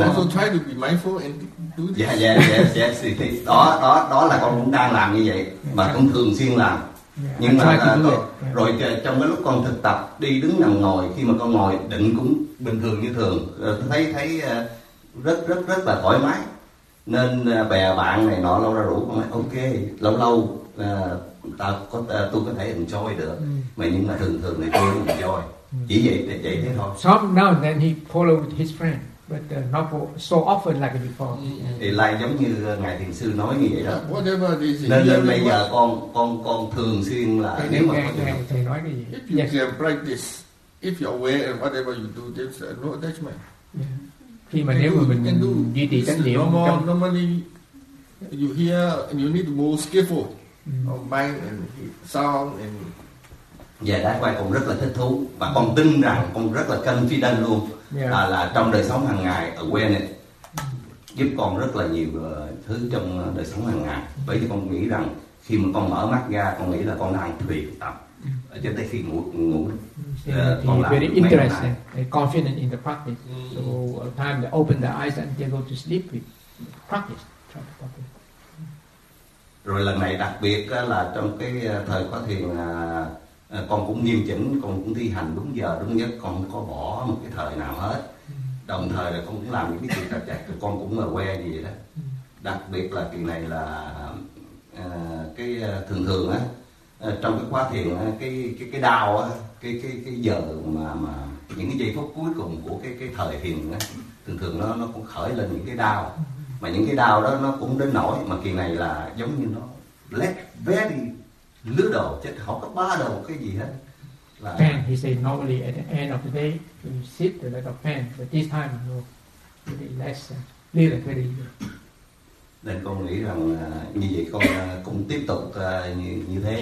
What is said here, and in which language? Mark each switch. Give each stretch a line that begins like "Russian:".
English: Also try to be mindful and do this. Yeah.
Vietnamese: Đó là con cũng đang làm như vậy, mà cũng thường xuyên làm.
English: Yeah.
Vietnamese: Nhưng mà rồi trong cái lúc con thực tập đi đứng nằm ngồi, khi mà con ngồi định cũng bình thường như thường, thấy rất là thoải mái. Nên bè bạn này nọ lâu ra rủ con nói ok, lâu lâu tôi có thể enjoy được, mà nhưng mà thường thường này tôi không enjoy. Chỉ vậy thế thôi.
English: So now and then he followed his friend, but not so often like before.
Vietnamese: Thì lại giống như ngài thiền sư nói như vậy đó.
English: Whatever it is,
Vietnamese: nên bây giờ con thường xuyên là thầy, nếu mà thầy nói cái gì,
English: if you can practice, if you're aware and whatever you do, there's no attachment.
Vietnamese: Khi mà nếu mà mình duy trì chánh niệm,
English: normally you hear and you need more skillful of mind and sound and yeah, that's why
Vietnamese: con rất là thích thú, và con tin rằng con rất là confident luôn.
English: Yeah.
Vietnamese: Là trong đời sống hàng ngày awareness giúp con rất là nhiều thứ trong đời sống hàng ngày. Bởi vì con nghĩ rằng khi mà con mở mắt ra, con nghĩ là con đang thuyền tập. cho tới khi ngủ ngủ.
English: Very interesting, confident in the practice. So at time they open the eyes and they go to sleep with practice.
Vietnamese: Rồi lần này đặc biệt là trong cái thời khóa thiền, con cũng nghiêm chỉnh, con cũng thi hành đúng giờ đúng nhất, con không có bỏ một cái thời nào hết. Đồng thời là con cũng làm những cái chuyện tập chạy, con cũng là que gì đó. Đặc biệt là kỳ này là cái thường thường á, trong cái khóa thiền á, cái đau á, cái giờ mà những cái giây phút cuối cùng của cái thời thiền á, thường thường nó cũng khởi lên những cái đau. Mà những cái đau đó nó cũng đến nỗi mà kỳ này là giống như nó
English: let very little
Vietnamese: đồ chứ không có ba đồ cái gì hết.
English: Là pain, he said normally at the end of the day you sit a lot of pain, but this time no, really less, little, very little.
Vietnamese: Nên con nghĩ rằng như vậy con cũng tiếp tục như thế.